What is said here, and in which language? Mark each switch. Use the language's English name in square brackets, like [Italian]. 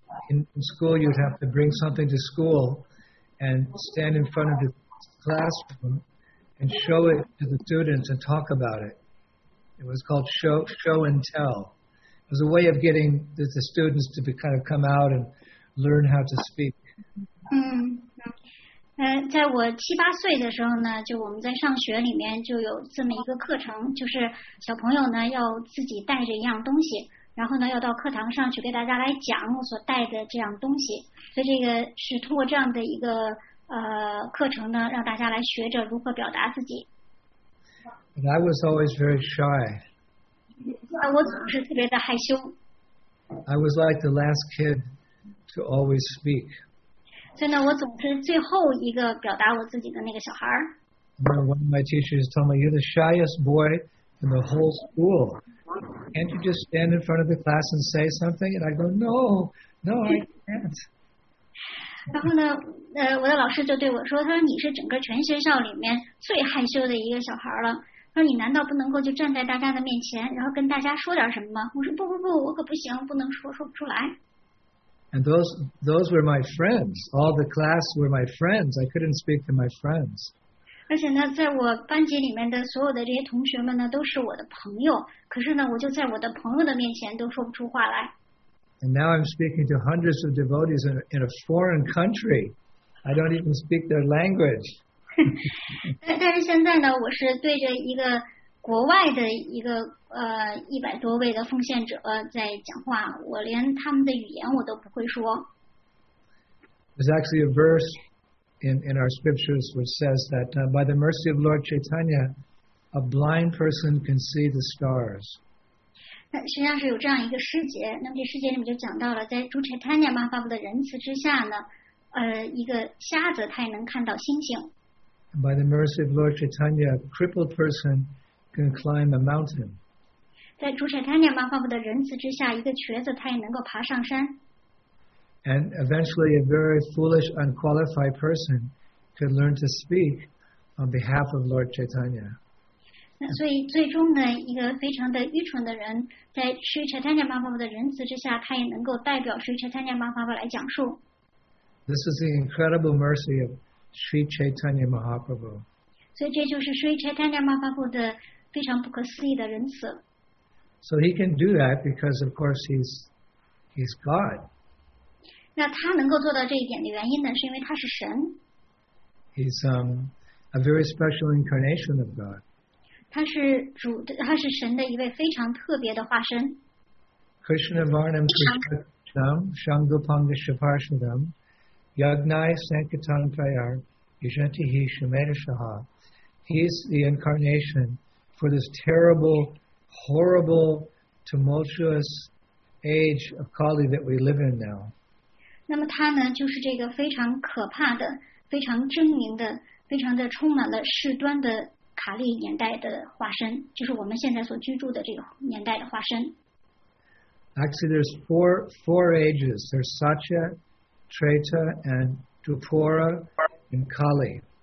[English] In school, you'd have to bring something to school and stand in front of the classroom and show it to the students and talk about it. It was called show and tell. It was a way of getting the students to be, kind of come out and learn how to speak. [Chinese] 在我7、8岁的时候呢，就我们在上学里面就有这么一个课程，就是小朋友呢要自己带着一样东西，然后呢要到课堂上去给大家来讲我所带的这样东西。所以这个是通过这样的一个课程呢，让大家来学着如何表达自己。 [English] And I was always very shy. [Chinese] 我总是特别的害羞。 [English] I was like the last kid to always speak. [Chinese] 所以呢，我总是最后一个表达我自己的那个小孩儿。 [English] One of my teachers told me, "You're the shyest boy in the whole school. Can't you just stand in front of the class and say something?" And I go, "No, no, I can't." [Chinese] 然后呢，我的老师就对我说：“他说你是整个全学校里面最害羞的一个小孩了。” 他说：“你难道不能够就站在大家的面前，然后跟大家说点什么吗？” 我说：“不不不，我可不行，不能说，说不出来。” [English] And those were my friends. All the class were my friends. I couldn't speak to my friends. [Chinese] 而且呢，在我班级里面的所有的这些同学们呢，都是我的朋友。可是呢，我就在我的朋友的面前都说不出话来。 [English] And now I'm speaking to hundreds of devotees in a foreign country. I don't even speak their language. [Chinese] 但是现在呢，我是对着一个国外的一个100多位的奉献者在讲话，我连他们的语言我都不会说。 [English] There's actually a verse in our scriptures which says that by the mercy of Lord Chaitanya, a blind person can see the stars. [Chinese] 那实际上是有这样一个诗节，那么这诗节里面就讲到了，在主 Chaitanya Mahaprabhu 的仁慈之下呢，一个瞎子他也能看到星星。 [English] By the mercy of Lord Chaitanya, a crippled person can climb a mountain. [Chinese] 在主 Chaitanya Mahaprabhu 的仁慈之下，一个瘸子他也能够爬上山。 [English] And eventually a very foolish, unqualified person can learn to speak on behalf of Lord Chaitanya. [Chinese] 那所以最终呢，一个非常的愚蠢的人，在 Sri Chaitanya Mahaprabhu 的仁慈之下，他也能够代表 Sri Chaitanya Mahaprabhu 来讲述。 [English] This is the incredible mercy of Sri Chaitanya Mahaprabhu. [Chinese] 所以这就是 Sri Chaitanya Mahaprabhu 的非常不可思议的仁慈。 [English] So he can do that because, of course, he's God. [Chinese] 那他能够做到这一点的原因呢，是因为他是神。 [English] He's a very special incarnation of God. [Chinese] 他是神的一位非常特别的化身。 [Sanskrit] Krishna Varnam Krishnam Shangupanga Shaparshadam Yagnai Sankirtan Prayar Yajantihi Shumedashaha. [English] He's the incarnation for this terrible, horrible, tumultuous age of Kali that we live in now. [Chinese] 那么他呢，就是这个非常可怕的、非常狰狞的、非常的充满了事端的卡利年代的化身，就是我们现在所居住的这个年代的化身。 [English] Actually, there's four ages. There's Satya, Treta, and Dwapara, and Kali.